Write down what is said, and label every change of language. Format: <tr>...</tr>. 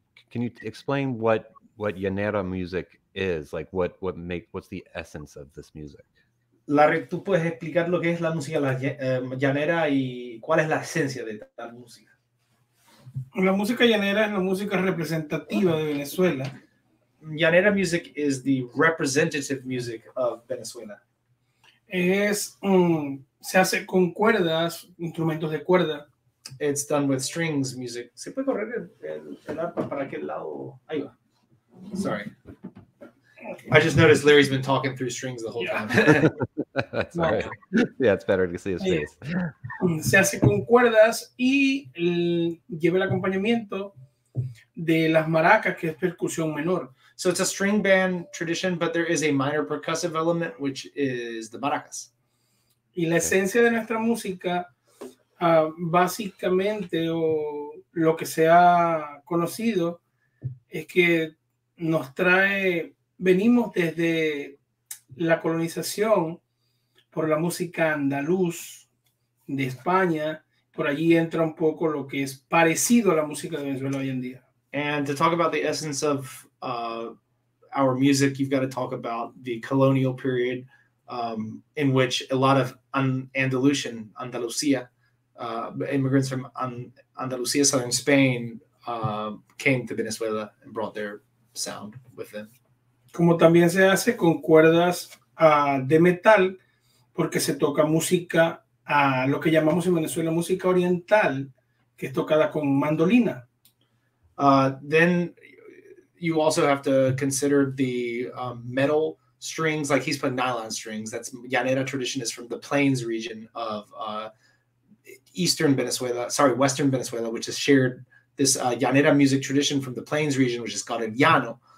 <en>Can you explain what Llanera music is like? What's the essence of this music?</en> <es>Larry, tú puedes explicar lo que es la música llanera y cuál es la esencia de tal música. La música llanera es la música representativa de Venezuela.</es> <en>Llanera music is the representative music of Venezuela.</en> <es>Es se hace con cuerdas, instrumentos de cuerda.</es> <en>It's done with strings music.</en> <es>¿Se puede correr el arpa para aquel lado? Ahí va.</es> <en>Sorry. I just noticed Larry's been talking through strings the whole time. That's all right. Yeah, it's better to see his face.</en> <es>Se hace con cuerdas y lleva el acompañamiento de las maracas, que es percusión menor.</es> <en>So it's a string band tradition, but there is a minor percussive element, which is the maracas.</en> <es>Y la esencia de nuestra música, básicamente, o lo que se ha conocido, es que nos trae... Venimos desde la colonización por la música andaluz de España. Por allí entra un poco lo que es parecido a la música de Venezuela hoy en día.</es> <en>And to talk about the essence of our music, you've got to talk about the colonial period in which a lot of Andalusian, Andalusia, immigrants from Andalusia, southern Spain, came to Venezuela and brought their sound with them.</en> <es>Como también se hace con cuerdas de metal, porque se toca música, lo que llamamos en Venezuela música oriental, que es tocada con mandolina.</es> <en>Then you also have to consider the metal strings, like he's putting nylon strings. That's Llanera tradition is from the plains region of western Venezuela, which has shared this Llanera music tradition from the plains region, which is called el Llano.</en>